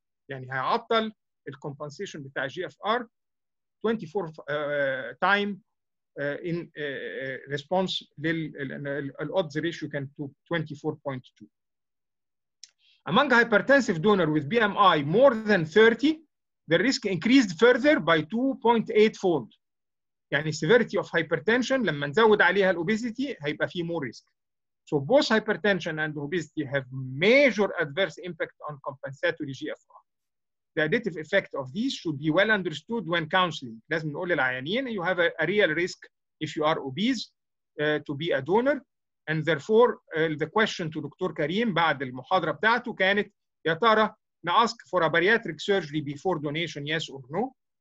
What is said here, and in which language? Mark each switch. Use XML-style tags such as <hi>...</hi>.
<ar>يعني هيعطل ال</ar> <en>compensation</en> <ar>بتاع</ar> <en>GFR 24 time in response لل odds ratio can to 24.2. Among hypertensive donor with BMI more than 30, the risk increased further by 2.8-fold.</en> <ar>يعني</ar> <en>severity of hypertension</en> <ar>لما نزود عليها الobesity هيبقى فيه</ar> <en>more risk. So both hypertension and obesity have major adverse impact on compensatory GFR. The additive effect of these should be well understood when counseling.</en> <ar>لازم نقول للعيانين</ar> <en>you have a real risk if you are obese to be a donor. And therefore the question to Dr. Karim</en> <ar>بعد المحاضرة بتاعته كانت يا ترى</ar> <en>نask for a bariatric surgery before donation yes or no.</en>